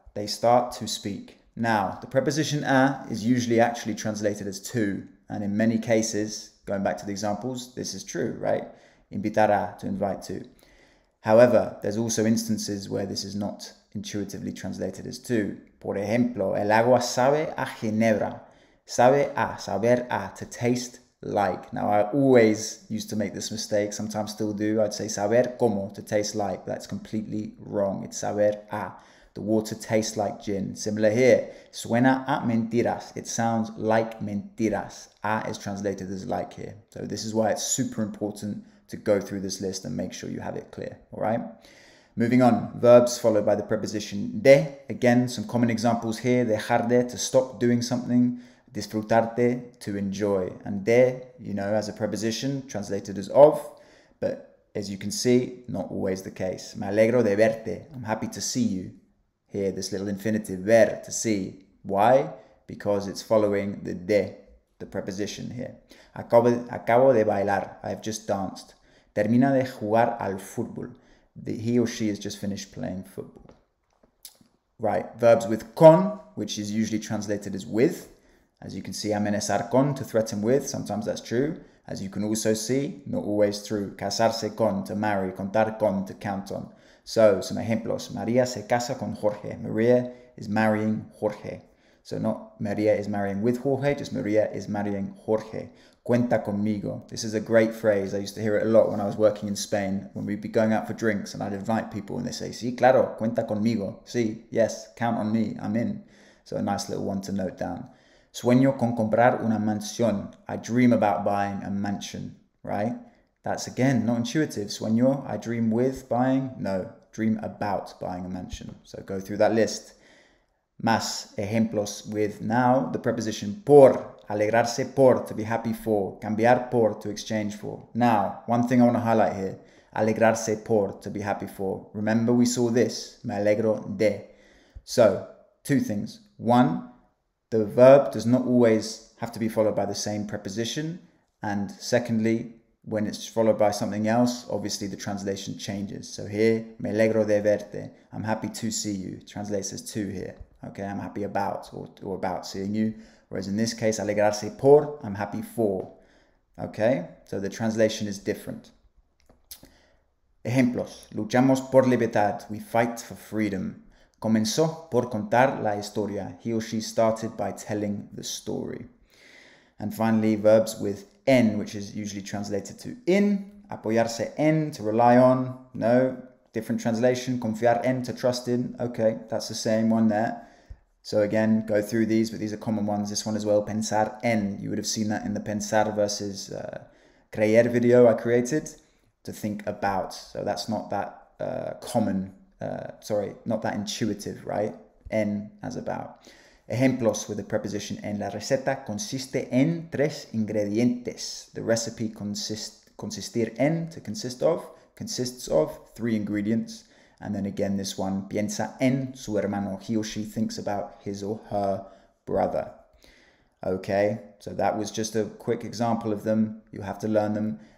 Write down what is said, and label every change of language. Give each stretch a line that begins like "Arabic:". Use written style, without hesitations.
English: They start to speak. Now, the preposition a is usually actually translated as to, and in many cases, going back to the examples, this is true, right? Invitar a, to invite to. However, there's also instances where this is not intuitively translated as to.
Spanish: Por ejemplo, el agua sabe a ginebra. Sabe a, saber a, to taste like.
English: Now, I always used to make this mistake, sometimes still do. I'd say saber como, to taste like. That's completely wrong. It's saber a. The water tastes like gin. Similar here. Suena a mentiras. It sounds like mentiras. A is translated as like here. So this is why it's super important to go through this list and make sure you have it clear. All right. Moving on. Verbs followed by the preposition de. Again, some common examples here. Dejar de, to stop doing something. Disfrutarte, to enjoy. And de, you know, as a preposition, translated as of. But as you can see, not always the case. Me alegro de verte. I'm happy to see you. Here, this little infinitive, ver, to see. Why? Because it's following the de, the preposition here. Acabo de bailar. I have just danced.
Spanish: Termina de jugar al fútbol.
English: He or she has just finished playing football. Right, verbs with con, which is usually translated as with. As you can see, amenazar con, to threaten with. Sometimes that's true. As you can also see, not always true. Casarse con, to marry. Contar con, to count on. So, some ejemplos.
Spanish: María se casa con Jorge.
English: María is marrying Jorge. So, not María is marrying with Jorge, just María is marrying Jorge. Cuenta conmigo. This is a great phrase. I used to hear it a lot when I was working in Spain, when we'd be going out for drinks and I'd invite people and they say, sí, claro, cuenta conmigo. Sí, yes, count on me, I'm in. So, a nice little one to note down.
Spanish: Sueño con comprar una mansión.
English: I dream about buying a mansion, right? That's, again, not intuitive. Sueño, I dream with buying. No, dream about buying a mansion. So go through that list. Más ejemplos with now the preposition por. Alegrarse por, to be happy for. Cambiar por, to exchange for. Now, one thing I want to highlight here. alegrarse por, to be happy for. Remember, we saw this, me alegro de. So, two things. One, the verb does not always have to be followed by the same preposition. And secondly, when it's followed by something else, obviously the translation changes. So here, me alegro de verte. I'm happy to see you. Translates as to here. Okay, I'm happy about or about seeing you. Whereas in this case, alegrarse por, I'm happy for. Okay, so the translation is different. Ejemplos. Luchamos por libertad. We fight for freedom.
Spanish: Comenzó por contar la historia.
English: He or she started by telling the story. And finally, verbs with en, which is usually translated to in. Apoyarse en, to rely on. No, different translation. Confiar en, to trust in. Okay, that's the same one there. So again, go through these, but these are common ones. This one as well, pensar en. You would have seen that in the pensar versus creer video I created, to think about. So that's not that common. Not that intuitive, right? En as about. Ejemplos with the preposition en.
Spanish: La receta consiste en tres ingredientes.
English: The recipe consistir en, to consist of, consists of three ingredients. And then again, this one, piensa en su hermano. He or she thinks about his or her brother. Okay, so that was just a quick example of them. You have to learn them.